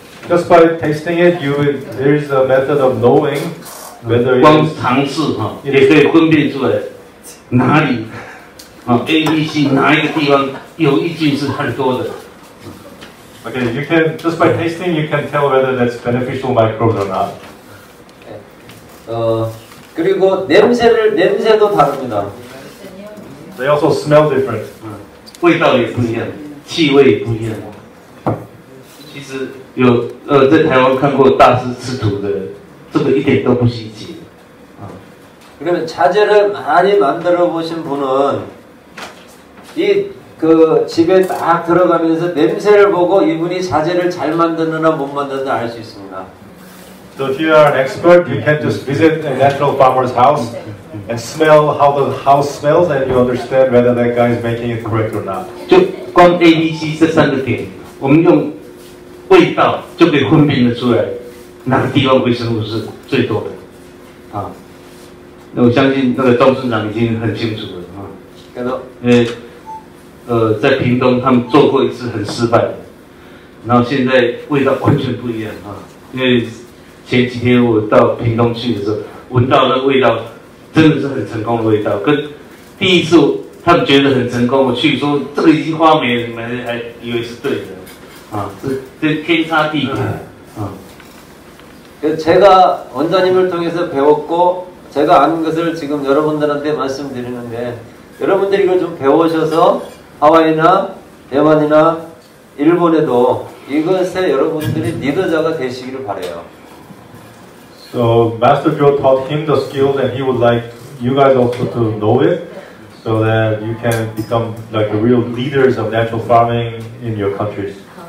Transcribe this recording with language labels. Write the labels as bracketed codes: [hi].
[en] Just by tasting it, you there is a method of knowing whether [zh] 光尝试哈，也可以分辨出来哪里。 A、B、C 哪一个地方有益菌是很多的。 [en] Okay, you can, just by tasting, you can tell whether that's beneficial microbes or not. Okay. [ko] 그리고 냄새를, 냄새도 다릅니다. [en] They also smell different. [zh] 味道也不一样, 气味不一样.其实有在台湾看过大师吃土的，这个一点都不稀奇。 [ko] 그러면 자재를 많이 만들어 보신 분은 이 그 집에 딱 들어가면서 냄새를 보고 이분이 자재를 잘 만드느나 못 만드느나 알 수 있습니다. [en] So if you are an expert, you can just visit a natural farmer's house and smell how the house smells and you understand whether that guy is making it correct or not. [zh] 就光 A, B, C 这三个点，我们用味道就可以分辨得出来哪个地方微生物是最多的啊。那我相信那个赵村长已经很清楚了啊。因为在屏东他们做过一次很失败的，然后现在味道完全不一样啊。因为前几天我到屏东去的时候，闻到那味道真的是很成功的味道，跟第一次他们觉得很成功，我去说这个已经花没了，还以为是对的啊，这天差地别啊。 [ko] 제가 원장님을 통해서 배웠고 제가 안 것을 지금 여러분들한테 말씀드리는데 여러분들이 이걸 좀 배우셔서 하와이나 대만이나 일본에도 이것에 여러분들이 리더자가 되시기를 바래요. [en] So Master Joe taught him the skills and he would like you guys also to know it so that you can become like the real leaders of natural farming in your countries.